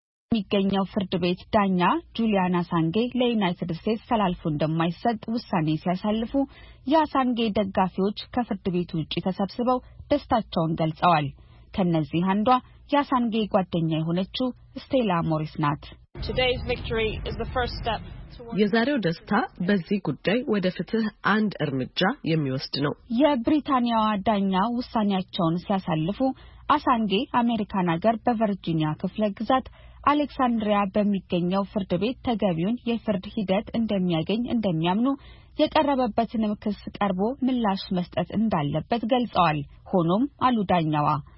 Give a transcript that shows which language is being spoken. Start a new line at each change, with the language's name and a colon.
Amharic: የሚገኘው ፍርድ ቤት ዳኛ ጁሊያን አሳንጌ ለዩናይትድ ስቴትስ ተላልፎ እንደማይሰጥ ውሳኔ ሲያሳልፉ የአሳንጌ ደጋፊዎች ከፍርድ ቤቱ ውጪ ተሰብስበው ደስታቸውን ገልጸዋል። ከነዚህ አንዷ የአሳንጌ ጓደኛ የሆነችው ስቴላ ሞሪስ ናት።
English: Today's victory is the first step toward
Amharic: የዛሬው ደስታ በዚህ ጉዳይ ወደ ፍትህ አንድ እርምጃ የሚወስድ ነው። የብሪታንያዋ ዳኛ ውሳኔያቸውን ሲያሳልፉ አሳንጌ አሜሪካን ሀገር በቨርጂኒያ ክፍለ ግዛት አሌክሳንድሪያ በሚገኘው ፍርድ ቤት ተገቢውን የፍርድ ሂደት እንደሚያገኝ እንደሚያምኑ የቀረበበትንም ክስ ቀርቦ ምላሽ መስጠት እንዳለበት ገልጸዋል። ሆኖም አሉ ዳኛዋ